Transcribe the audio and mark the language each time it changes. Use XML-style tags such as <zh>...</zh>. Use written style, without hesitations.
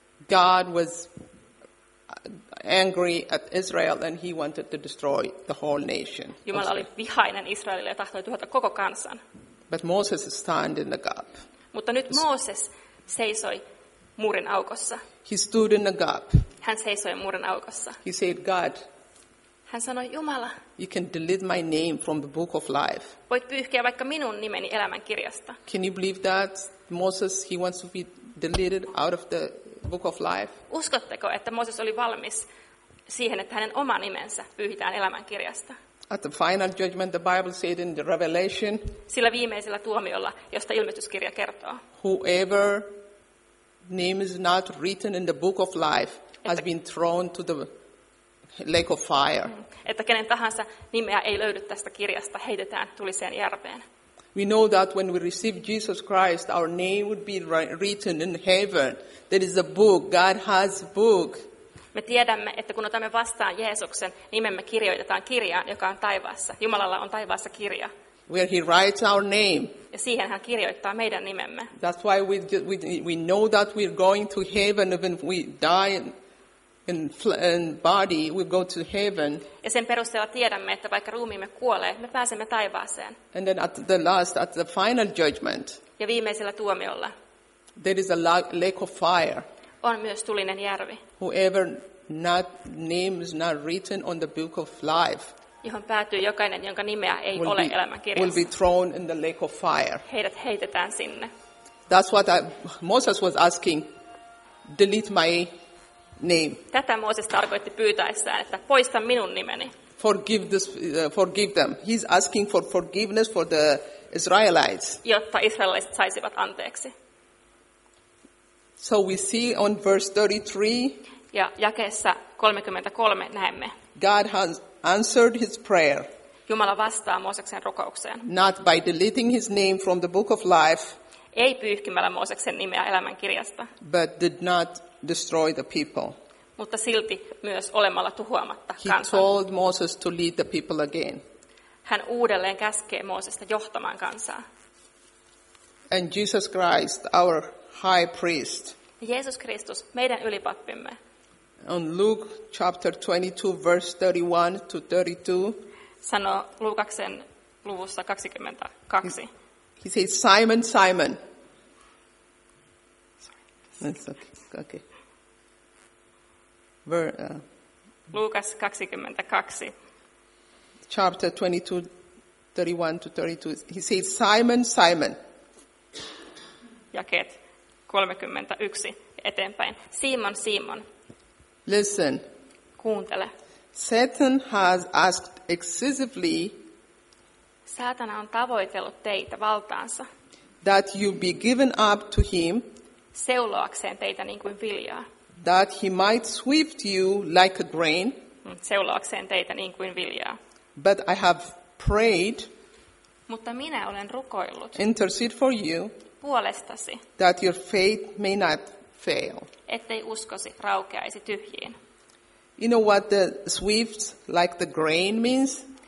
<en>God was angry at Israel and he wanted to destroy the whole nation.</en> <fi>Jumala oli vihainen Israelille ja tahtoi tuhota koko kansan.</fi> <en>But Moses stood in the gap.</en> <fi>Mutta nyt Mooses seisoi muurin aukossa.</fi> <en>He stood in the gap.</en> <fi>Hän seisoi muurin aukossa.</fi> <en>He said, God.</en> <fi>Hän sanoi, Jumala.</fi> <en>You can delete my name from the book of life.</en> <fi>Voit pyyhkiä vaikka minun nimeni elämän kirjasta.</fi> <en>Can you believe that Moses, he wants to be deleted out of the book of life?</en> <fi>Uskotteko, että Mooses oli valmis siihen, että hänen oma nimensä pyyhitään elämänkirjasta?</fi> <en>At the final judgment, the Bible said in the Revelation.</en> <fi>Sillä viimeisellä tuomiolla, josta ilmestyskirja kertoo.</fi> <en>Whoever name is not written in the book of life has been thrown to the lake of fire.</en> <fi>Että kenen tahansa nimeä ei löydy tästä kirjasta, heitetään tuliseen järveen.</fi> <en>We know that when we receive Jesus Christ, our name would be written in heaven. There is a book, God has a book.</en> <fi>Me tiedämme, että kun otamme vastaan Jeesuksen, nimemme kirjoitetaan kirjaan, joka on taivaassa. Jumalalla on taivaassa kirja.</fi> <en>Where he writes our name.</en> <fi>Ja siihen hän kirjoittaa meidän nimemme.</fi> <en>That's why we know that we're going to heaven even we die in body, we go to heaven.</en> <fi>Ja sen perusteella tiedämme, että vaikka ruumiimme kuolee, me pääsemme taivaaseen.</fi> <en>And then at the last, at the final judgment.</en> <fi>Ja viimeisellä tuomiolla.</fi> <en>There is a lake of fire.</en> <fi>On myös tulinen järvi.</fi> <en>Whoever not name is not written on the book of life.</en> <fi>Johon päätyy jokainen, jonka nimeä ei ole elämänkirjassa.</fi> <en>Will be thrown in the lake of fire.</en> <fi>Heidät heitetään sinne.</fi> <en>That's what Moses was asking. Delete my name.</en> <fi>Tätä Mooses tarkoitti pyytäessään, että poista minun nimeni.</fi> <en>Forgive this, forgive them. He's asking for forgiveness for the Israelites.</en> <fi>Jotta israelaiset saisivat anteeksi.</fi> <en>So we see on verse 33.</en> <fi>Ja jakeessa 33 näemme.</fi> <en>God has answered his prayer.</en> <fi>Jumala vastaa Mooseksen rukoukseen.</fi> <en>Not by deleting his name from the book of life.</en> <fi>Ei pyyhkimällä Mooseksen nimeä elämänkirjasta.</fi> <en>But did not destroy the people.</en> <fi>Mutta silti myös olemalla tuhoamatta kansan.</fi> <en>He told Moses to lead the people again.</en> <fi>Hän uudelleen käskee Moosesta johtamaan kansaa.</fi> <en>And Jesus Christ, our high priest.</en> <fi>Jeesus Kristus, meidän ylipappimme.</fi> <en>On Luke chapter 22 verse 31 to 32.</en> <fi>Sano Luukaksen luvussa 22.</fi> <en>He says, Simon, Simon. Sorry. That's okay.</en> <fi>Lukas 22.</fi> <en>Chapter 22 31 to 32. He says, Simon, Simon.</en> <fi>Jakeet 31 eteenpäin. Simon, Simon.</fi> <en>Listen.</en> <fi>Kuuntele.</fi> <en>Satan has asked excessively.</en> <fi>Saatana on tavoitellut teitä valtaansa.</fi> <en>That you be given up to him.</en> <fi>Seuloakseen teitä niin kuin viljaa.</fi> <en>That he might sift you like a grain.</en> <fi>Seuloakseen teitä niin kuin viljaa.</fi> <en>But I have prayed.</en> <fi>Mutta minä olen rukoillut.</fi> <en>Intercede for you.</en> <fi>Puolestasi.</fi> <en>That your faith may not fail.</en> <fi>Ettei uskosi raukeaisi tyhjiin.</fi> <en>You know what the swift like the grain means?</en>